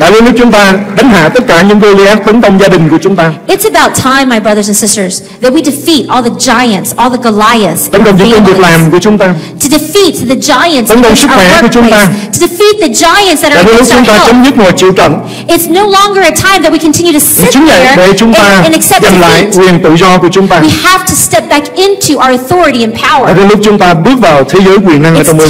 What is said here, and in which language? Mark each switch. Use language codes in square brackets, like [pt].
[vi] Tại vì nếu chúng ta đánh hạ tất cả những Goliath tấn công gia đình của chúng ta. [en] It's about time, my brothers and sisters, that we defeat all the giants, all the Goliaths. [vi] Tấn công những công việc làm của chúng ta. [en] To defeat the giants. [vi] Tấn công sức khỏe của chúng ta. [en] To defeat the giants that are [vi] chúng ta chấm dứt mọi chịu trận. [en] It's no longer a time that we continue to sit there and accept defeat. [vi] Lại quyền tự do của chúng ta. [en] We have to step back into our authority and power. [vi] Lúc chúng ta bước vào thế giới quyền năng trong ơn